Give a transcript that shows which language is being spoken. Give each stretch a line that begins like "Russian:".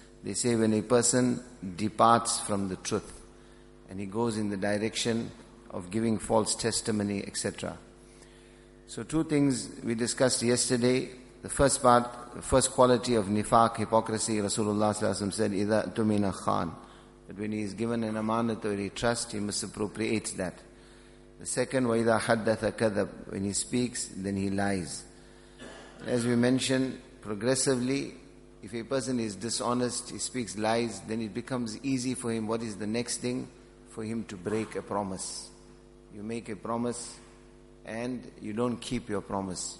English: They say when a person departs from the truth and he goes in the direction of giving false testimony, etc. So two things we discussed yesterday. The first part, the first quality of nifaq, hypocrisy, Rasulullah s.a.w. said,
Arabic: إِذَا تُمِنَ khan.
English: That when he is given an amanat or a trust, he misappropriates that. The second,
Arabic: وَإِذَا حَدَّثَ كَذَبْ.
English: When he speaks, then he lies. As we mentioned, progressively, if a person is dishonest, he speaks lies, then it becomes easy for him. What is the next thing? For him to break a promise. You make a promise and you don't keep your promise.